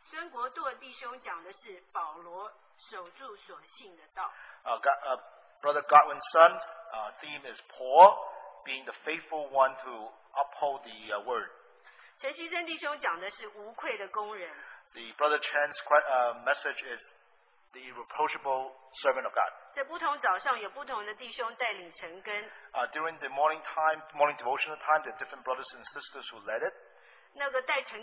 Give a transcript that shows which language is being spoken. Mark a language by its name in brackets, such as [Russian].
[English] Brother Godwin's son's theme is Paul, being the faithful one to uphold the word. [Chinese] 陈锡珍弟兄讲的是无愧的工人。 [English] The Brother Chen's message is the irreproachable servant of God. [Chinese] 在不同早上有不同的弟兄带领成根。 [English] During the morning time, morning devotional time, the different brothers and sisters who led it.